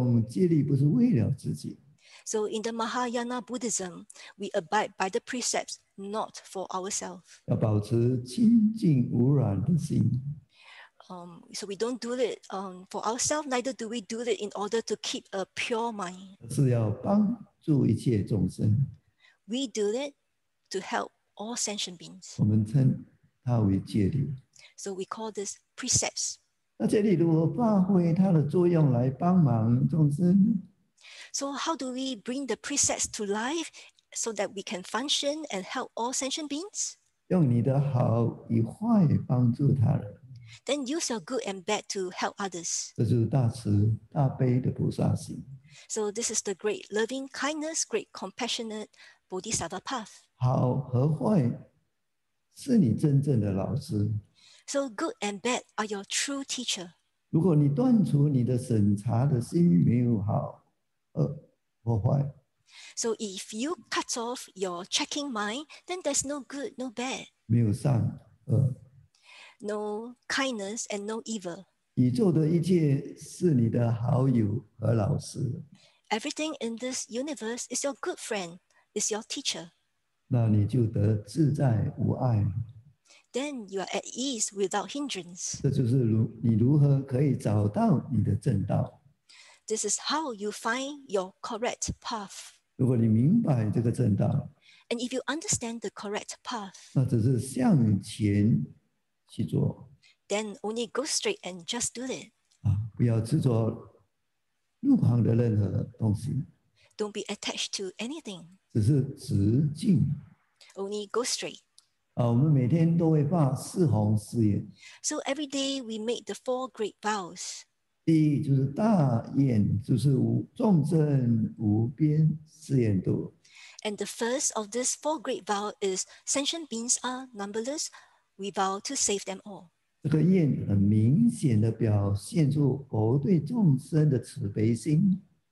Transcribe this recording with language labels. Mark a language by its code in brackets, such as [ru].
[zh] 所以在大乘佛教中戒律不是为了自己。 [en] So in the Mahayana Buddhism, we abide by the precepts, not for ourselves. [zh] 要保持清净无染的心。 [en] So we don't do it for ourselves, neither do we do it in order to keep a pure mind. [zh] 是要帮助一切众生。 [en] We do it to help all sentient beings. [zh] 我们称它为戒律。 [en] So we call this precepts. [zh] 那戒律如何发挥它的作用来帮忙众生？ [en] So how do we bring the precepts to life so that we can function and help all sentient beings? [zh] 用你的好与坏帮助他人。 [en] Then use your good and bad to help others. [zh] 这就是大慈大悲的菩萨行。 [en] So this is the great loving kindness, great compassionate Bodhisattva path. [zh] 好和坏是你真正的老师。 [en] So good and bad are your true teacher. [zh] 如果你断除你的审查的心，没有好和坏。 [en] So if you cut off your checking mind, then there's no good, no bad. [zh] 没有善恶。 [en] No kindness and no evil. [zh] 宇宙的一切是你的好友和老师。 [en] Everything in this universe is your good friend, is your teacher. [zh] 那你就得自在无碍。 [en] Then you are at ease without hindrance. [zh] 这就是你如何可以找到你的正道。 [en] This is how you find your correct path. [zh] 如果你明白这个正道。 [en] And if you understand the correct path. [zh] 那只是向前。去做, [en] then only go straight and just do it. [zh] 不要执着路旁的任何东西, [en] don't be attached to anything. [zh] 只是直径, [en] only go straight. [zh] 我们每天都会发四弘誓言, [en] so every day we make the four great vows. [zh] 第一就是大愿, 就是众生无边誓愿度。 [en] And the first of these four great vows is sentient beings are numberless. We vow to save them all. [zh] 这个愿很明显地表现出佛对众生的慈悲心。